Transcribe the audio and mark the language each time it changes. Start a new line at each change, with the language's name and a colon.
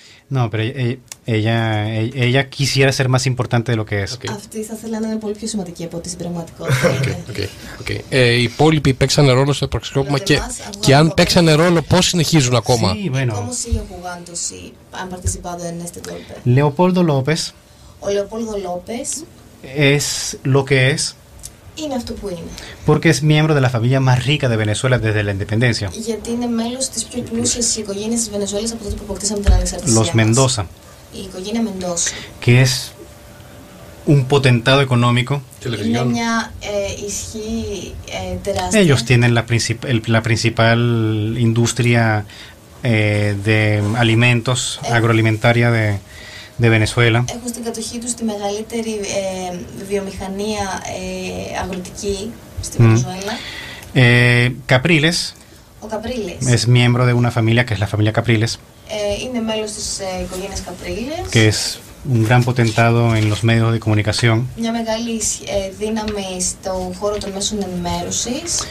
Spanish: No, pero ella quisiera ser más importante de lo que es. Okay.
Greek: Αυτή θα ήθελα να είναι πολύ πιο σημαντική από την πραγματικότητα. Okay, okay, okay. Οι υπόλοιποι παίξαν ρόλο στο προσκρόπημα και αν παίξαν ρόλο, πώς συνεχίζουν ακόμα.
Spanish: Sí, bueno. ¿Cómo sigue jugando si han participado en este golpe? Leopoldo López.
Greek: Ο Leopoldo López.
Spanish: Es lo que es.
Greek: Είναι αυτό που είναι.
Spanish: Porque es miembro de la familia más rica de Venezuela desde la independencia.
Greek: Γιατί είναι μέλος της πιο πλούσιας οικογένειας της Βενεζουέλας από τότε που αποκτήσαμε την ανεξαρτησία.
Spanish: Los Mendoza.
Greek: Η οικογένεια Mendoza.
Spanish: Que es un potentado económico.
Greek: Είναι μια ισχύ τεράστια.
Spanish: Ellos tienen la principal industria de alimentos agroalimentaria de Venezuela.
Greek: Έχουν στην κατοχή τους τη μεγαλύτερη βιομηχανία αγροτική στη Βενεζουέλα.
Spanish: Capriles.
Greek: Ο Capriles.
Spanish: Es miembro de una familia que es la familia Capriles.
Greek: Είναι μέλος της οικογένειας Capriles.
Spanish: Que es un gran potentado en los medios de comunicación.
Greek: Μια μεγάλη δύναμη στο χώρο των μέσων ενημέρωσης.